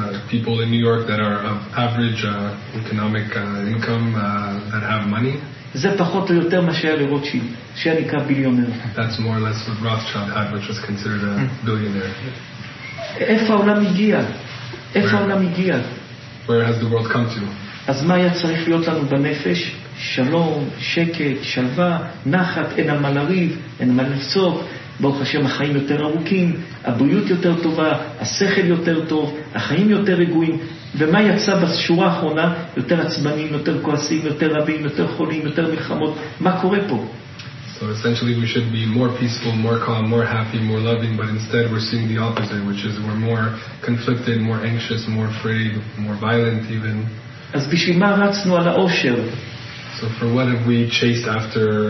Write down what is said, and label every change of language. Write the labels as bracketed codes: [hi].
[en] People in New York that are of average economic income that have money. [he] זה פחות או יותר מה שהיה לרוטשילד, שהיה נקרא ביליונר. [en] That's more or less what Rothschild had, which was considered a billionaire. [he] איפה העולם הגיע? איפה העולם הגיע? [en] Where has the world come to? [he] אז מה היה צריך להיות לנו בנפש? שלום, שקט, שלווה, נחת, אין על מה לריב, אין על מה לצעוק, ברוך השם החיים יותר ארוכים, הבריאות יותר טובה, השכל יותר טוב, החיים יותר רגועים, ומה יצא בשורה האחרונה? יותר עצבנים, יותר כועסים, יותר רבים, יותר חולים, יותר מלחמות, מה קורה פה? [en] So essentially we should be more peaceful, more calm, more happy, more loving, but instead we're seeing the opposite, which is we're more conflicted, more anxious, more afraid, more violent even. [he] אז בשביל מה רצנו על האושר? [en] So for what have we chased after